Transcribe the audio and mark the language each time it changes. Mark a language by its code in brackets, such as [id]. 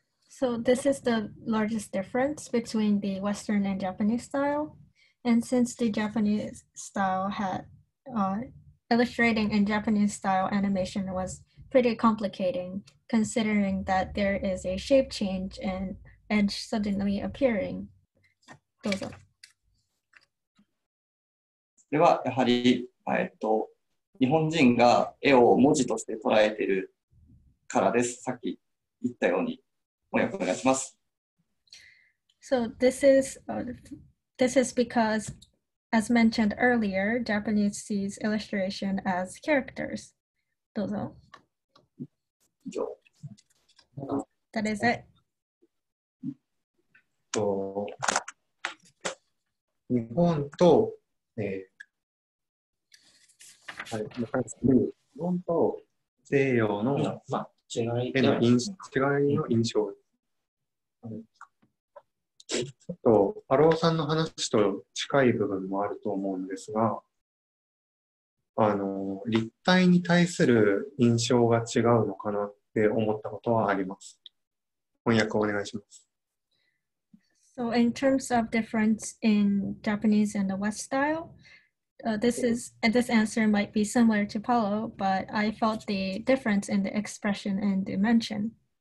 [en] So this is the largest difference between the Western and Japanese style. And since the Japanese style had illustrating in Japanese style animation was pretty complicating, considering that there is a shape change and edge suddenly appearing. [ja] どうぞ。ではやはり日本人が絵を文字として捉えているからです。さっき言ったように翻訳お願いします。 [en] So this is. This is because, as mentioned earlier, Japanese sees illustration as characters. [ja] どうぞ。 [en] That is it. [ja] 日本と、日本と西洋の、違いの印象。ちょっと、ハローさんの話と近い部分もあると思うんですが、立体に対する印象が違うのかなって思ったことはあります。翻訳お願いします。 [en] So, in terms of difference in Japanese and the West style, this answer might be similar to Paulo, but I felt the difference in the expression and dimension.